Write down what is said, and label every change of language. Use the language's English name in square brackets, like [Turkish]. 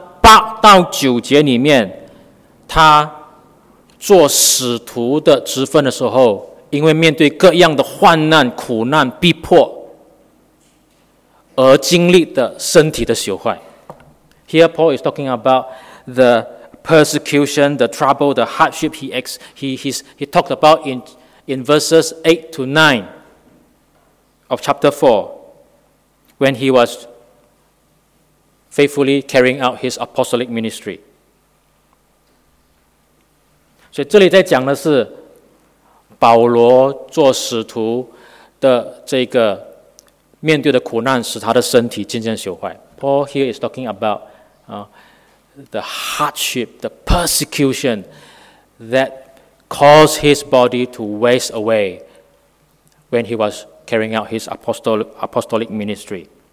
[Chinese] 保罗是在讲4章8到9节里面, 他做使徒的职分的时候, 因为面对各样的患难、苦难、逼迫, 而经历的身体的朽坏。 [English] Here Paul is talking about the persecution, the trouble, the hardship he talked about in verses 8 to 9 of chapter 4, when he was faithfully carrying out his apostolic ministry. [Chinese] 所以这里在讲的是, 保罗做使徒的这个, 面对的苦难, 使他的身体渐渐朽坏。 [English] Paul here is talking about the hardship, the persecution that caused his body to waste away when he was carrying out his apostolic ministry.